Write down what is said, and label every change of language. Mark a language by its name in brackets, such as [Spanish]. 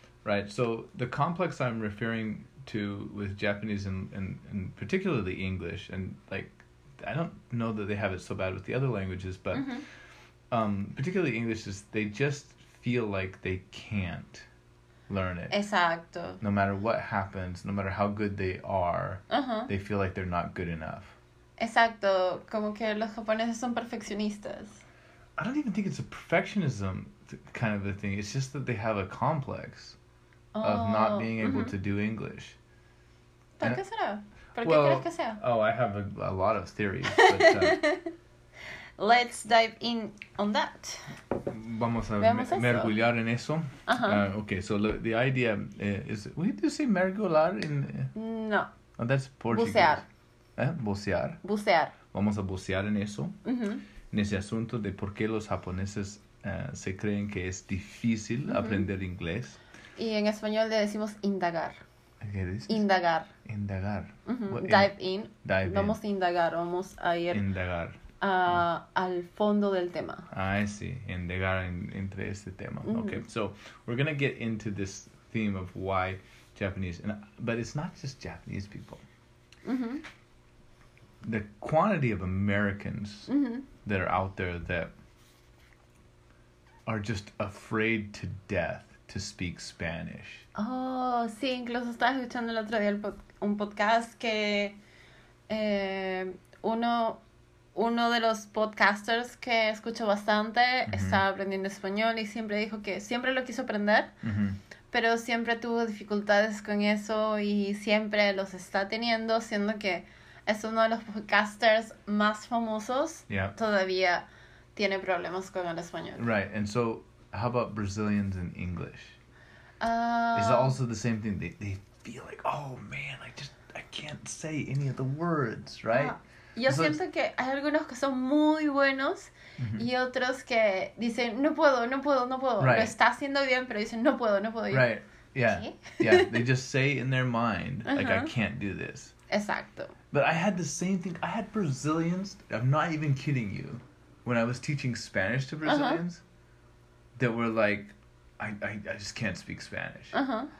[English] Right, so the complex I'm referring to with Japanese and particularly English, and like, I don't know that they have it so bad with the other languages, but mm-hmm. Particularly English, is they just feel like they can't learn it. [Spanish] Exacto. [English] No matter what happens, no matter how good they are, uh-huh. they feel like they're not good enough. [Spanish] Exacto, como que los japoneses son perfeccionistas. [English] I don't even think it's a perfectionism kind of a thing. It's just that they have a complex oh, of not being able mm-hmm. to do English. [Spanish] ¿Por qué será? ¿Por qué crees que sea? [English] Oh, I have a lot of theories. But, Let's dive in on that. [Spanish] Vamos a mergullar en eso. Uh-huh. [English] Okay, so the idea is... We do say mergullar in... [Spanish] No. [English] Oh, that's Portuguese. [Spanish] Bucear. Bucear. Bucear. Vamos a bucear en eso. Uh-huh. En ese asunto de por qué los japoneses se creen que es difícil uh-huh. aprender inglés. Y en español le decimos indagar. ¿Qué dices? Indagar. Indagar. [English] Uh-huh. Well, dive in. Dive in. [Spanish] Vamos a indagar. Vamos a ir... Indagar. Al fondo del tema. Ah, sí. Indagar entre este tema. Uh-huh. Okay. [English] So, we're going to get into this theme of why Japanese... But it's not just Japanese people. Mm-hmm. The quantity of Americans mm-hmm. that are out there that are just afraid to death to speak Spanish. [Spanish] Oh, sí, incluso estaba escuchando el otro día un podcast que uno de los podcasters que escucho bastante mm-hmm. estaba aprendiendo español y siempre dijo que siempre lo quiso aprender. Mm-hmm. Pero siempre tuvo dificultades con eso y siempre los está teniendo, siendo que es uno de los podcasters más famosos. [English] Yeah. [Spanish] Todavía tiene problemas con el español. [English] Right, and so how about Brazilians and English? Is it also the same thing? They feel like, oh man, I can't say any of the words, right? [Spanish] Yo siento que hay algunos que son muy buenos mm-hmm. y otros que dicen, no puedo. [English] Right. [Spanish] Lo está haciendo bien, pero dicen, no puedo. [English] Right. Yeah. ¿Qué? Yeah. They just say in their mind, like, uh-huh. I can't do this. [Spanish] Exacto. [English] But I had the same thing. I had Brazilians, I'm not even kidding you, when I was teaching Spanish to Brazilians, uh-huh. that were like, I just can't speak Spanish. Uh-huh.